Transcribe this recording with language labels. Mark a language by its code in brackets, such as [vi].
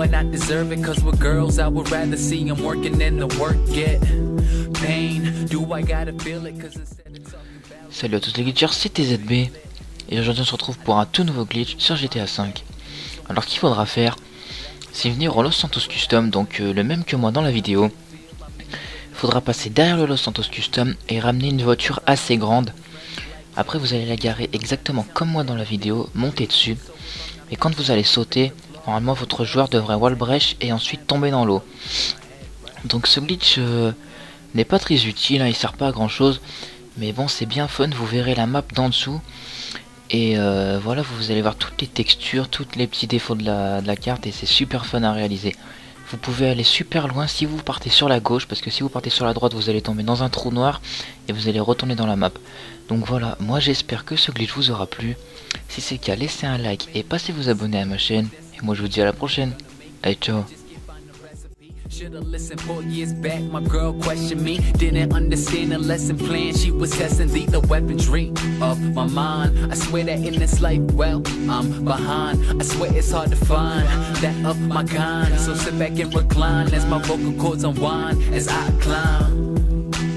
[en] Deserve it, cause with girls I would rather see them working than the work get pain. Do I gotta feel it? Cause instead of talking about. [fr] Salut à tous les glitchers, c'était ZB et aujourd'hui on se retrouve pour un tout nouveau glitch sur GTA V. Alors qu'il faudra faire, c'est venir au Los Santos Custom, donc le même que moi dans la vidéo. Il faudra passer derrière le Los Santos Custom et ramener une voiture assez grande. Après vous allez la garer exactement comme moi dans la vidéo, monter dessus, et quand vous allez sauter, normalement votre joueur devrait wall brèche et ensuite tomber dans l'eau. Donc ce glitch n'est pas très utile, hein, il sert pas à grand chose. Mais bon, c'est bien fun, vous verrez la map d'en dessous. Et voilà, vous allez voir toutes les textures, tous les petits défauts de la carte et c'est super fun à réaliser. Vous pouvez aller super loin si vous partez sur la gauche, parce que si vous partez sur la droite, vous allez tomber dans un trou noir et vous allez retourner dans la map. Donc voilà, moi j'espère que ce glitch vous aura plu. Si c'est le cas, laissez un like et passez vous abonner à ma chaîne. Et moi je vous dis à la prochaine. Allez, ciao. [en] Should have listened 4 years back. My girl questioned me. Didn't understand the lesson plan. She was testing the weaponry of my mind. I swear that in this life, well, I'm behind. I swear it's hard to find that of my kind. So sit back and recline as my vocal cords unwind as I climb.